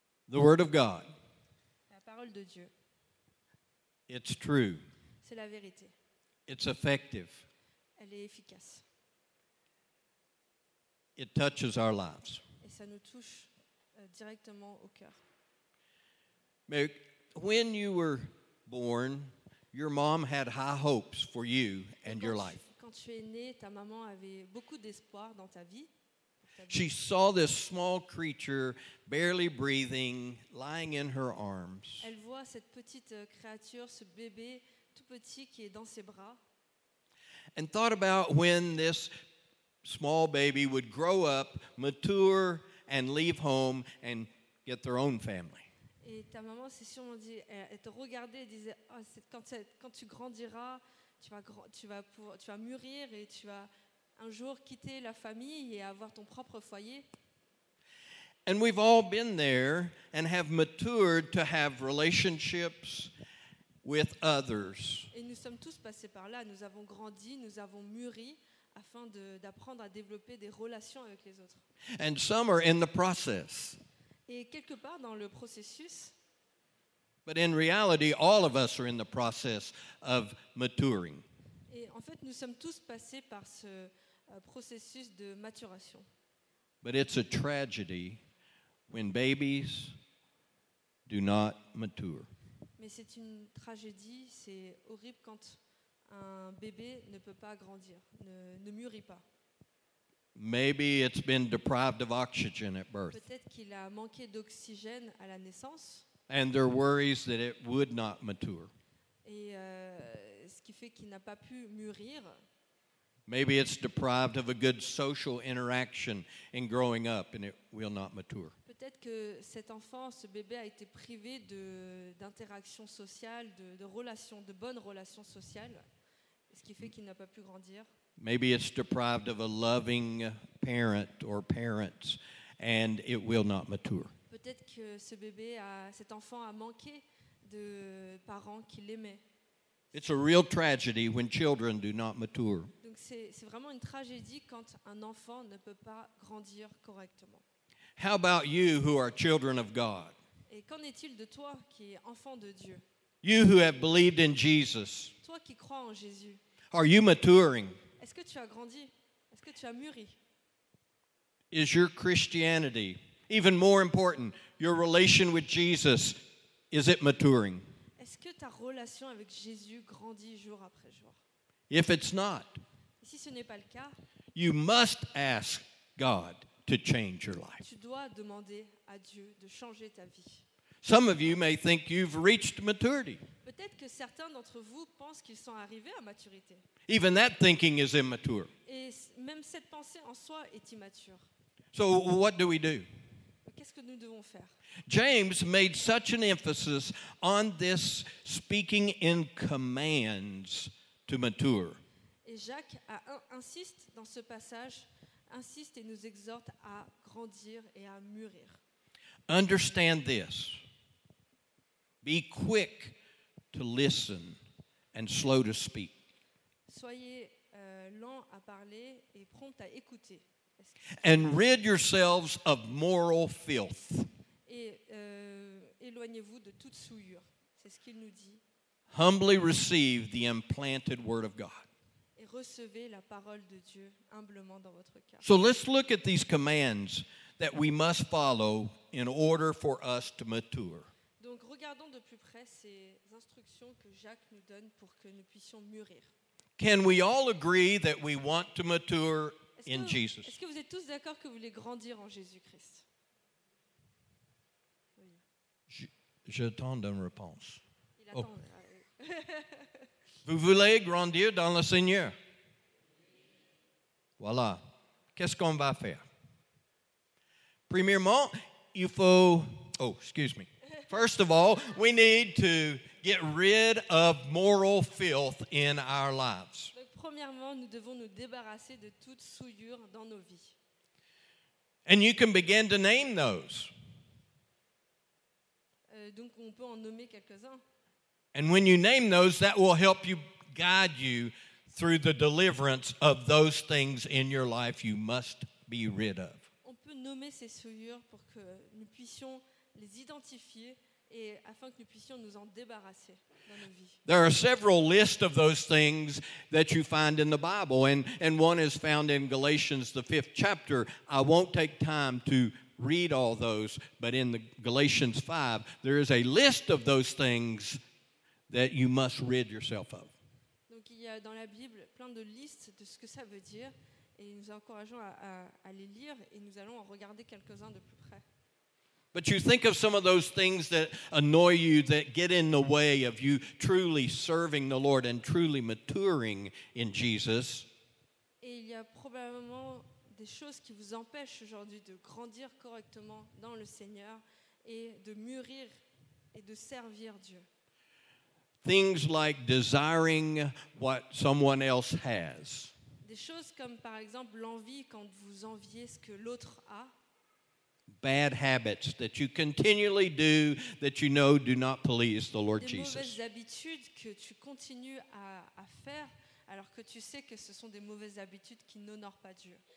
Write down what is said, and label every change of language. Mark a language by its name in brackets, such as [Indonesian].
[English] The word of God. [French] La parole de Dieu. [English] It's true. [French] C'est la vérité. [English] It's effective. [French] Elle est efficace. [English] It touches our lives. [French] Et ça nous touche directement au cœur. Mais [English] when you were born, your mom had high hopes for you and your life. [French] Quand tu es né, ta maman avait beaucoup d'espoir dans ta vie. [English] She saw this small creature, barely breathing, lying in her arms. [French] Elle voit cette petite créature, ce bébé tout petit qui est dans ses bras. [English] And thought about when this small baby would grow up, mature, and leave home and get their own family. [French] Et ta maman s'est sûrement dit, elle te regardait et disait, oh, quand tu grandiras, tu vas mûrir et tu vas un jour quitter la famille et avoir ton propre foyer. [English] And we've all been there and have matured to have relationships with others. [French] Et nous sommes tous passés par là, nous avons grandi, nous avons mûri afin d'apprendre à développer des relations avec les autres. [English] And some are in the process. [French] Et quelque part dans le processus. [English] But in reality, all of us are in the process of maturing. [French] Et en fait, nous sommes tous passés par ce processus de maturation. [English] But it's a tragedy when babies do not mature. [French] Mais c'est une tragédie, c'est horrible quand un bébé ne peut pas grandir, ne mûrit pas. [English] Maybe it's been deprived of oxygen at birth. [French] Peut-être qu'il a manqué d'oxygène à la naissance. [English] And there are worries that it would not mature. [French] Et ce qui fait qu'il n'a pas pu mûrir. [English] Maybe it's deprived of a good social interaction in growing up and it will not mature. [French] Peut-être que cet enfant, ce bébé a été privé d'interactions sociales, de relations, de bonnes relations sociales, ce qui fait qu'il n'a pas pu grandir. [English] Maybe it's deprived of a loving parent or parents and it will not mature. [French] Peut-être que cet enfant a manqué de parents qui l'aimaient. [English] It's a real tragedy when children do not mature. [French] Donc c'est vraiment une tragédie quand un enfant ne peut pas grandir correctement. [English] How about you who are children of God? [French] Et qu'en est-il de toi qui es enfant de Dieu? [English] You who have believed in Jesus. [French] Toi qui crois en Jésus. [English] Are you maturing? [French] Est-ce que tu as grandi? Est-ce que tu as mûri? [English] Is your Christianity, even more important, your relation with Jesus, is it maturing? [French] Est-ce que ta relation avec Jésus grandit jour après jour? [English] If it's not, [French] si ce n'est pas le cas, [English] you must ask God to change your life. [French] Tu dois demander à Dieu de changer ta vie. [English] Some of you may think you've reached maturity. [French] Peut-être que certains d'entre vous pensent qu'ils sont arrivés à maturité. [English] Even that thinking is immature. [French] Et même cette pensée en soi est immature. [English] So what do we do? [French] Qu'est-ce que nous devons faire? [English] James made such an emphasis on this speaking in commands to mature. [French] Et Jacques insiste dans ce passage, insiste et nous exhorte à grandir et à mûrir. [English] Understand this. Be quick to listen and slow to speak. [French] Soyez lent à parler et prompt à écouter. [English] And rid yourselves of moral filth. [French] Et éloignez-vous de toute souillure. C'est ce qu'il nous dit. [English] Humbly receive the implanted word of God. [French] Et recevez la parole de Dieu humblement dans votre cœur. [English] So let's look at these commands that we must follow in order for us to mature. [French] Donc regardons de plus près ces instructions que Jacques nous donne pour que nous puissions mûrir. [English] Can we all agree that we want to mature in Jesus? [French] Est-ce que vous êtes tous d'accord que vous voulez grandir en Jésus-Christ? Oui. J'attends une réponse. Il attend. Oh. Vous voulez grandir dans le Seigneur? Voilà. Qu'est-ce qu'on va faire? Premièrement, il faut... [English] Oh, excuse me. First of all, we need to get rid of moral filth in our lives. [French] Donc, premièrement, nous devons nous débarrasser de toute souillure dans nos vies. [English] And you can begin to name those. [French] Donc, on peut en nommer quelques-uns. [English] And when you name those, that will help you guide you through the deliverance of those things in your life you must be rid of. [French] On peut nommer ces souillures pour que nous puissions les identifier et afin que nous puissions nous en débarrasser dans nos vies. [English] There are several lists of those things that you find in the Bible, and one is found in Galatians, the fifth chapter. I won't take time to read all those, but in the Galatians 5, there is a list of those things that you must rid yourself of. [French] Donc il y a dans la Bible plein de listes de ce que ça veut dire, et nous encourageons à les lire, et nous allons en regarder quelques-uns de plus près. [English] But you think of some of those things that annoy you, that get in the way of you truly serving the Lord and truly maturing in Jesus. [French] Et il y a probablement des choses qui vous empêchent aujourd'hui de grandir correctement dans le Seigneur et de mûrir et de servir Dieu. [English] Things like desiring what someone else has. [French] Des choses comme par exemple l'envie quand vous enviez ce que l'autre a. [English] Bad habits that you continually do that you know do not please the Lord Jesus. [French] Des mauvaises habitudes que tu continues à faire alors que tu sais que ce sont des mauvaises habitudes qui n'honorent pas Dieu.